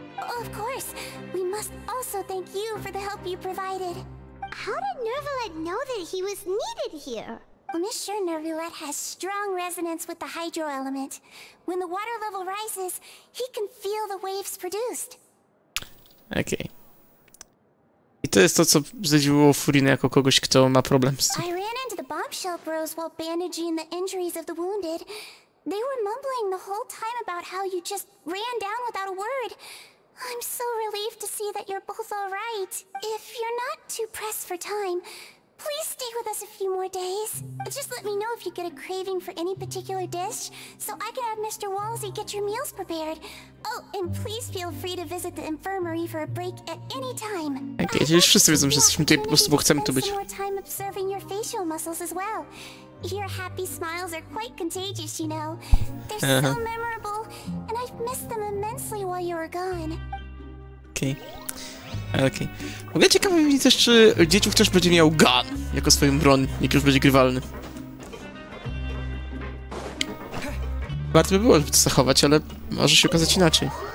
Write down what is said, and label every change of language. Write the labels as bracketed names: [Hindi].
[English] Oh, of course, we must also thank you for the help you provided. How did Nervulet know that he was needed here? Monsieur Nervulet has strong resonance with the hydro element. When the water level rises, he can feel the waves produced. Okay. [Polish] I to jest to, co zdziwiło Furinę jako kogoś, kto ma problem z tym. [English] I ran into bombshell bros while bandaging the injuries of the wounded. They were mumbling the whole time about how you just ran down without a word. I'm so relieved to see that you're both all right. If you're not too pressed for time, please stay with us a few more days. Just let me know if you get a craving for any particular dish, so I can have Mr. Wolsey get your meals prepared. Oh, and please feel free to visit the infirmary for a break at any time. [Polish] Okay, już wszyscy wiedzą, że jesteśmy tutaj po prostu, bo chcemy tu być. [English] More time observing your facial muscles as well. Your happy smiles are quite contagious, you know. They're so memorable, and I've missed them immensely while you were gone. [Polish] Okej. W ogóle ciekawe mi też, czy dzieciów też będzie miał gun jako swoją broń, jak już będzie grywalny. Warto by było, żeby to zachować, ale może się okazać inaczej.